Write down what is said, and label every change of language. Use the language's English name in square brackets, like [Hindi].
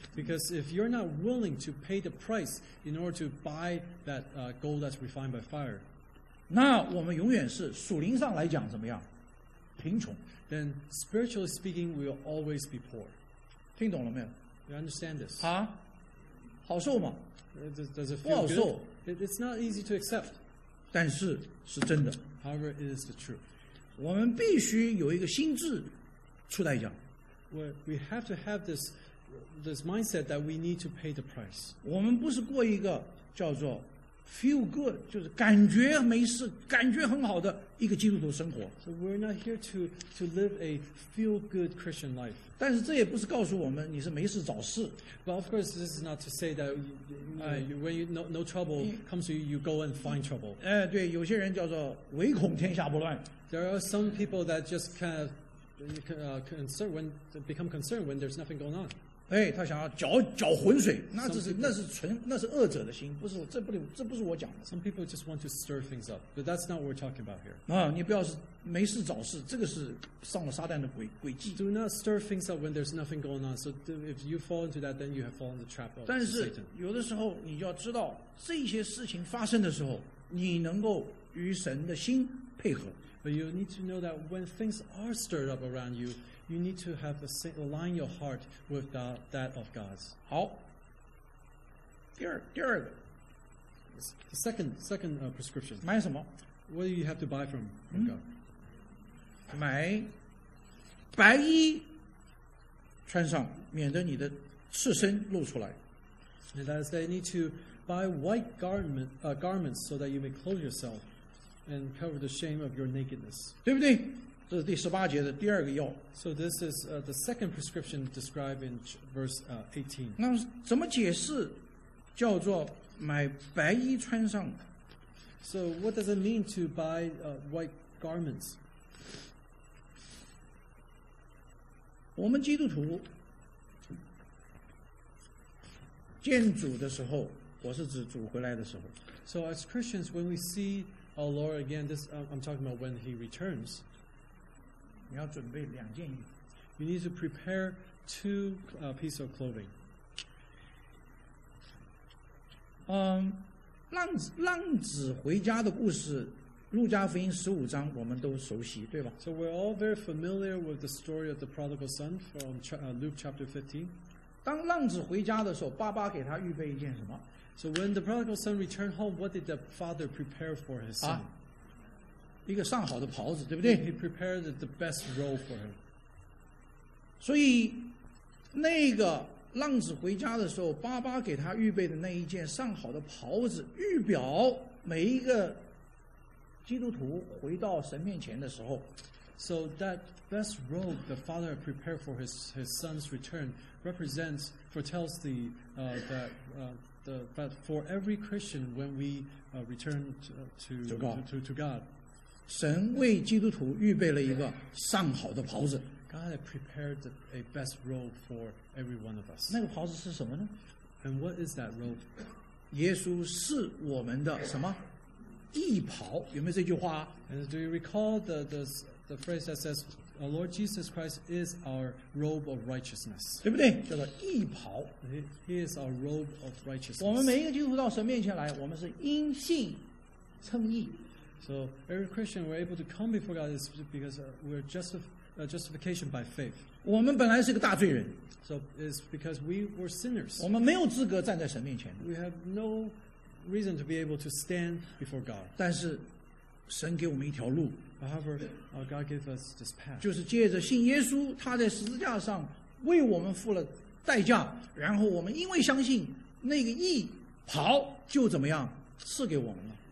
[English] Because if you're not willing to pay the price in order to buy that gold that's refined by fire, [Chinese] 那我们永远是属灵上来讲怎么样？贫穷。 [English] Then spiritually speaking, we'll always be poor. [Chinese] 听懂了没有？ [English] You understand this? [Chinese] 啊，好受吗？ [English] Does it feel good? [Chinese] 不好受。 [English] It's not easy to accept. [Chinese] 但是是真的。 [English] However, it is the truth. [Chinese] 我们必须有一个心智出代价。 [English] We have to have this mindset that we need to pay the price. [Chinese] 我们不是过一个叫做 [English] feel good, [Chinese] 就是感觉没事，感觉很好的一个基督徒生活。 [English] So we're not here to live a feel good Christian life. [Chinese] 但是这也不是告诉我们你是没事找事。 [English] But of course, this is not to say that you, when you no trouble comes to you, you go and find trouble. [Chinese] 哎，对，有些人叫做唯恐天下不乱。 [English] There are some people that just kind of become concerned when there's nothing going on. [Chinese] 哎，他想要搅浑水，那这是 那是恶者的心，不是这不是我讲的。 [English] Some people just want to stir things up, but that's not what we're talking about here. [Chinese] 啊，你不要是没事找事，这个是上了撒旦的诡计。 [English] Do not stir things up when there's nothing going on. So if you fall into that, then you have fallen into the trap of Satan. [Chinese] 但是有的时候你就要知道，这些事情发生的时候，你能够与神的心配合。 [English] But you need to know that when things are stirred up around you, you need to have align your heart with that of God's. [Chinese] 好，第二个 [English] the second prescription. [Chinese] 买什么？ [English] What do you have to buy from God? [Chinese] 买白衣穿上，免得你的赤身露出来。 [English] And that is, they need to buy white garments so that you may clothe yourself. And cover the shame of your nakedness. [Chinese] 对不对？这是第十八节的第二个要。 [English] So this is the second prescription described in verse 18. [Chinese] 那怎么解释叫做买白衣穿上 [English] ？So what does it mean to buy white garments? [Chinese] 我们基督徒见主的时候，我是指主回来的时候。 [English] So as Christians, when we see Oh Lord, again, this, I'm talking about when He returns. [Chinese] 你要准备两件衣服。 [English] You need to prepare two pieces of clothing. [Chinese] 浪子回家的故事，路加福音十五章我们都熟悉，对吧？ [English] So we're all very familiar with the story of the prodigal son from Luke chapter 15. [Chinese] 当浪子回家的时候，爸爸给他预备一件什么？ [English] So when the prodigal son returned home, what did the father prepare for his son? [Chinese] 一个上好的袍子，对不对？ [English] He prepared the best robe for him. [Chinese] 所以那个浪子回家的时候，爸爸给他预备的那一件上好的袍子，预表每一个基督徒回到神面前的时候。 [English] So that best robe the father prepared for his son's return represents, foretells the, that, the, but for every Christian when we return to God. [Chinese] 神为基督徒预备了一个上好的袍子。 [English] God had prepared a best robe for every one of us. [Chinese] 那个袍子是什么呢？ [English] And what is that robe? [Chinese] 耶稣是我们的什么？义袍，有没有这句话？ [English] And do you recall the phrase that says, our Lord Jesus Christ is our robe of righteousness. [Chinese] 对不对？叫做义袍。 [English] He is our robe of righteousness. [Chinese] 我们每一个基督徒到神面前来，我们是因信称义。 [English] So every Christian we're able to come before God is because we're justification by faith. [Chinese] 我们本来是个大罪人。 [English] So it's because we were sinners. [Chinese] 我们没有资格站在神面前。 [English] We have no reason to be able to stand before God. [Chinese] 但是神给我们一条路。 [English] However, God gave us this path. [Chinese] 就是借着信耶稣，他在十字架上为我们付了代价，然后我们因为相信那个义袍就怎么样赐给我们了。